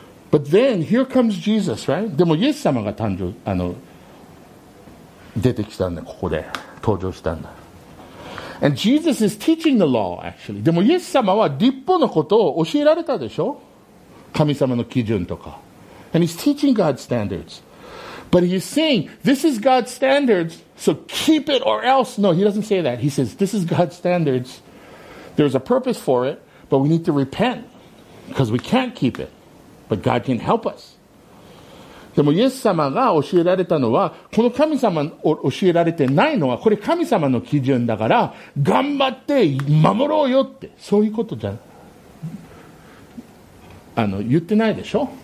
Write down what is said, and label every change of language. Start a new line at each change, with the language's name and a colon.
English: But then, here comes Jesus, right?
Japanese: でもイエス様が誕生、あの出てきたんだ、ここで登場したんだ。
English: And Jesus is teaching the law actually.
Japanese: でもイエス様は律法のことを教えられたでしょ、神様の基準とか。
English: And he's teaching God's standards. But he's saying, this is God's standards, so keep it or else. No, he doesn't say that. He says, this is God's standards. There's a purpose for it, but we need to repent. Because we can't keep it. But God can help us.
Japanese: でもイエス様が教えられたのは、この神様を教えられてないのは、これ神様の基準だから、頑張って守ろうよって、そういうことじゃ、言ってないでしょ。